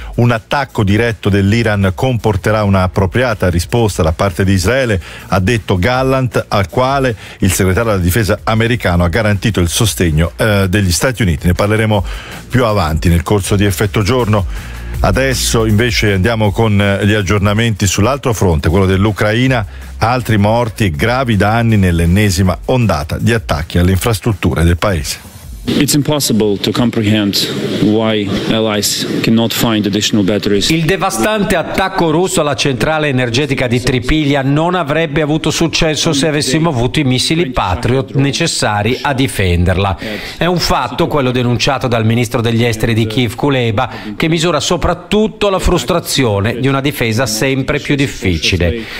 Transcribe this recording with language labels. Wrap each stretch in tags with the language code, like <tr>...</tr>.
<it>Un attacco diretto dell'Iran comporterà una appropriata risposta da parte di Israele, ha detto Gallant, al quale il segretario della difesa americano ha garantito il sostegno degli Stati Uniti. Ne parleremo più avanti nel corso di Effetto Giorno. Adesso invece andiamo con gli aggiornamenti sull'altro fronte, quello dell'Ucraina. Altri morti e gravi danni nell'ennesima ondata di attacchi alle infrastrutture del paese.</it> <en>It's impossible to comprehend why allies cannot find additional batteries.</en> <it>Il devastante attacco russo alla centrale energetica di Tripilia non avrebbe avuto successo se avessimo avuto i missili Patriot necessari a difenderla. È un fatto, quello denunciato dal ministro degli esteri di Kiev Kuleba, che misura soprattutto la frustrazione di una difesa sempre più difficile.</it>